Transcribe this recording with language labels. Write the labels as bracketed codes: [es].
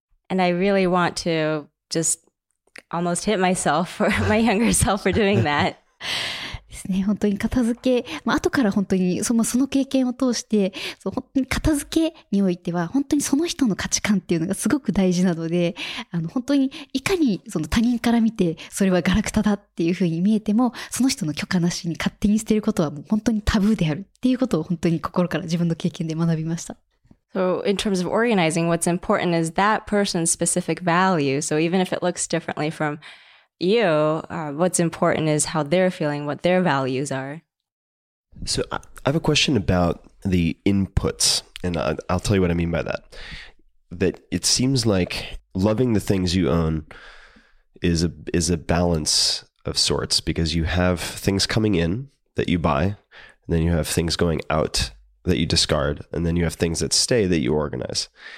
[en] And I really want to just almost hit myself for my younger self for doing that. [ja] 本当に片付け、まあ、後から本当にその経験を通して、そう、本当に片付けにおいては本当にその人の価値観っていうのがすごく大事なので、本当にいかにその他人から見てそれはガラクタだっていうふうに見えても、その人の許可なしに勝手に捨てることはもう本当にタブーであるっていうことを本当に心から自分の経験で学びました。 [en] So in terms of organizing, what's important is that person's specific value. So even if it looks differently fromYou, what's important is how they're feeling, what their values are. So I have a question about the inputs, and I'll tell you what I mean by that. That it seems like loving the things you own is a balance of sorts, because you have things coming in that you buy, and then you have things going out that you discard, and then you have things that stay that you organize.